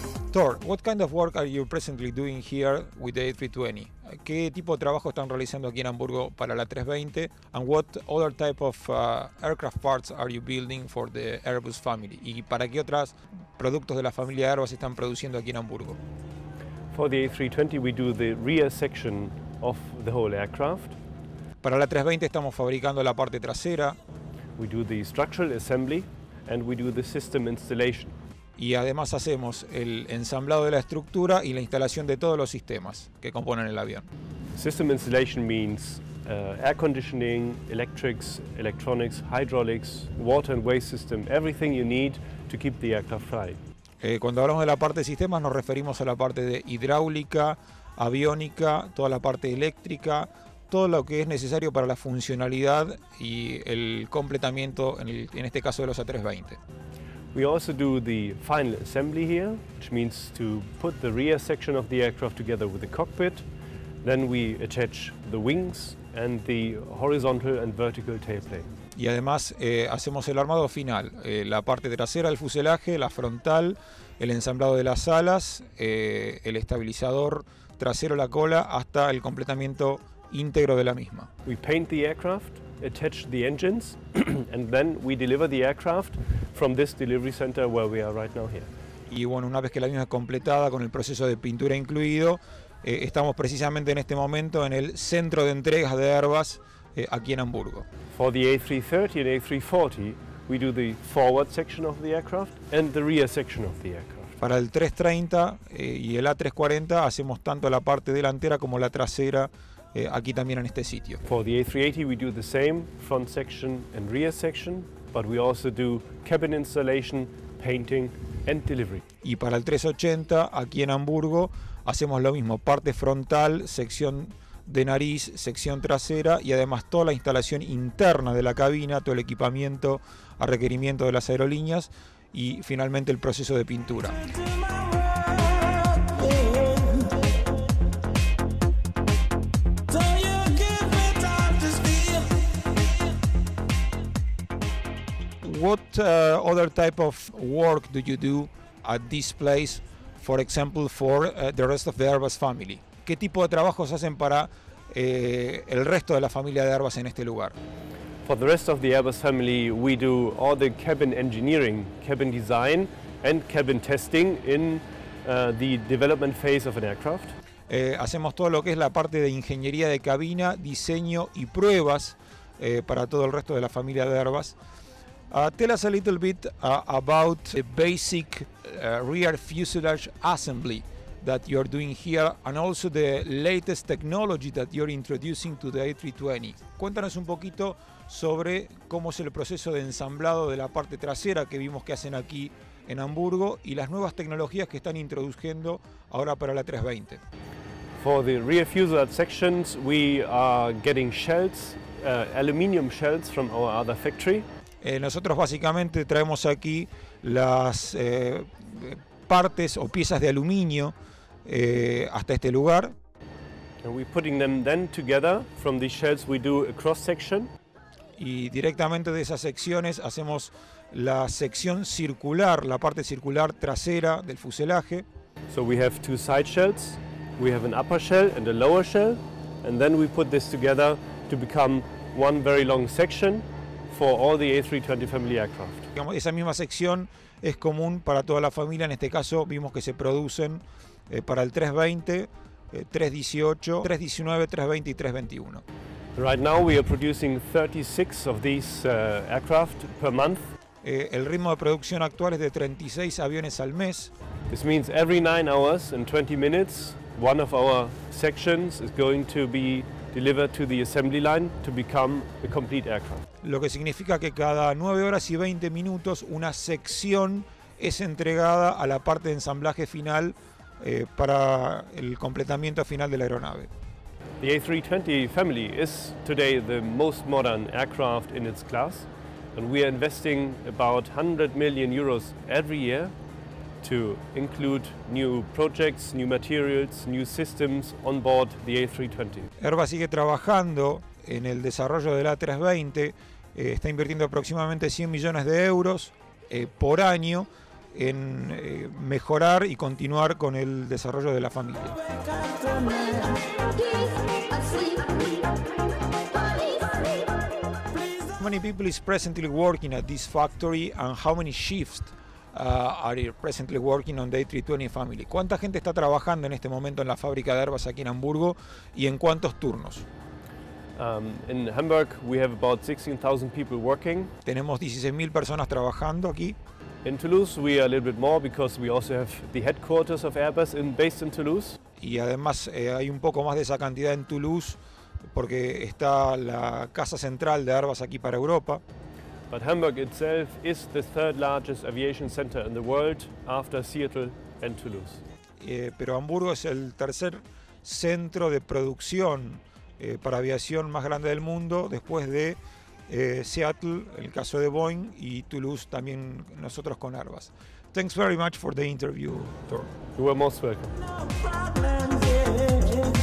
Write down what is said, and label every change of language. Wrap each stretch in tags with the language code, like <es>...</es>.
<en>Thor, what kind of work are you presently doing here with the A320?</en> <es>¿Qué tipo de trabajo están realizando aquí en Hamburgo para la 320?</es> <en>And what other type of aircraft parts are you building for the Airbus family?</en> <es>¿Y para qué otros productos de la familia Airbus están produciendo aquí en Hamburgo?</es> <en>For the A320, we do the rear section of the whole aircraft.</en> <es>Para la 320 estamos fabricando la parte trasera.</es> <en>We do the structural assembly and we do the system installation.</en> <es>Y además hacemos el ensamblado de la estructura y la instalación de todos los sistemas que componen el avión.</es> <en>System installation means air conditioning, electrics, electronics, hydraulics, water and waste system, everything you need to keep the aircraft flying.</en> <es>Cuando hablamos de la parte de sistemas nos referimos a la parte de hidráulica, aviónica, toda la parte eléctrica, todo lo que es necesario para la funcionalidad y el completamiento en este caso de los A320.</es> <en>We also do the final assembly here, which means to put the rear section of the aircraft together with the cockpit. Then we attach the wings and the horizontal and vertical tailplane.</en> <es>Y además hacemos el armado final, la parte trasera del fuselaje, la frontal, el ensamblado de las alas, el estabilizador trasero, la cola, hasta el completamiento íntegro de la misma.</es> <en>We paint the aircraft, attach the engines, and then we deliver the aircraft from this delivery center where we are right now here.</en> <es>Y bueno, una vez que la misma es completada con el proceso de pintura incluido, estamos precisamente en este momento en el centro de entregas de Airbus aquí en Hamburgo.</es> <en>For the A330 and A340, we do the forward section of the aircraft and the rear section of the aircraft.</en> <es>Para el 330 y el A340 hacemos tanto la parte delantera como la trasera. Aquí también en este sitio.</es> <en>For the A380 we do the same front section and rear section, but we also do cabin installation, painting and delivery.</en> <es>Y para el 380 aquí en Hamburgo hacemos lo mismo, parte frontal, sección de nariz, sección trasera y además toda la instalación interna de la cabina, todo el equipamiento a requerimiento de las aerolíneas y finalmente el proceso de pintura.</es> <en>What other type of work do you do at this place, for example, for the rest of the Airbus family?</en> <es>¿Qué tipo de trabajos hacen para el resto de la familia de Airbus en este lugar?</es> <en>For the rest of the Airbus family, we do all the cabin engineering, cabin design and cabin testing in the development phase of an aircraft.</en> <es>Hacemos todo lo que es la parte de ingeniería de cabina, diseño y pruebas para todo el resto de la familia de Airbus.</es> <en>Tell us a little bit about the basic rear fuselage assembly that you're doing here and also the latest technology that you're introducing to the A320.</en> <es>Cuéntanos un poquito sobre cómo es el proceso de ensamblado de la parte trasera que vimos que hacen aquí en Hamburgo y las nuevas tecnologías que están introduciendo ahora para la 320.</es> <en>For the rear fuselage sections, we are getting shells, aluminium shells from our other factory.</en> <es>Nosotros básicamente traemos aquí las partes o piezas de aluminio hasta este lugar.</es> <en>And we're putting them then together from the shells we do a cross section.</en> <es>Y directamente de esas secciones hacemos la sección circular, la parte circular trasera del fuselaje.</es> <en>So we have two side shells. We have an upper shell and a lower shell, and then we put this together to become one very long section for all the A320 family aircraft.</en> <es>Esa misma sección es común para toda la familia. En este caso vimos que se producen para el 320, 318, 319, 320 y 321.</es> <en>Right now we are producing 36 of these aircraft per month.</en> <es>El ritmo de producción actual es de 36 aviones al mes.</es> <en>This means every 9 hours and 20 minutes one of our sections is going to be delivered to the assembly line to become a complete aircraft.</en> <es>Lo que significa que cada 9 horas y 20 minutos una sección es entregada a la parte de ensamblaje final para el completamiento final de la aeronave.</es> <en>The A320 family is today the most modern aircraft in its class, and we are investing about 100 million euros every year to include new projects, new materials, new systems on board the A320.</en> <es>Airbus sigue trabajando en el desarrollo del A320. Está invirtiendo aproximadamente 100 millones de euros por año en mejorar y continuar con el desarrollo de la familia.</es> <en>How many people is presently working at this factory and how many shifts are you presently working on the A320 family?</en> <es>¿Cuánta gente está trabajando en este momento en la fábrica de Airbus aquí en Hamburgo y en cuántos turnos?</es> <en>In Hamburg we have about 16,000 people working.</en> <es>Tenemos 16,000 personas trabajando aquí.</es> <en>In Toulouse we are a little bit more because we also have the headquarters of Airbus based in Toulouse.</en> <es>Y además hay un poco más de esa cantidad en Toulouse porque está la casa central de Airbus aquí para Europa.</es> <en>But Hamburg itself is the third largest aviation center in the world after Seattle and Toulouse.</en> <es>Pero Hamburgo es el tercer centro de producción para aviación más grande del mundo después de Seattle, el caso de Boeing, y Toulouse también nosotros con Airbus.</es> <en>Thanks very much for the interview, Tor. You are most welcome.</en>